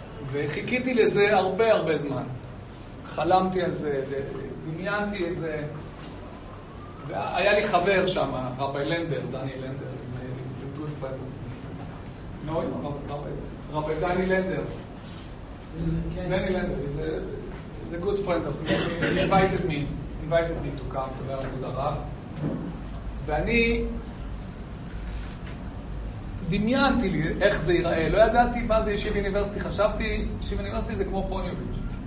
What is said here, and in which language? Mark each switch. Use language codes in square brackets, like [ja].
[he] וחיכיתי לזה הרבה זמן. חלמתי על זה, דמיינתי את זה. והיה לי חבר שם, רבי לנדר, דני לנדר, [en] he's a good friend of me. He invited me to come to learn with Arad. [he] ואני דמיינתי לי איך זה ייראה. לא ידעתי מה זה ישיב אוניברסיטי. חשבתי, ישיב אוניברסיטי זה כמו פוניוביץ'.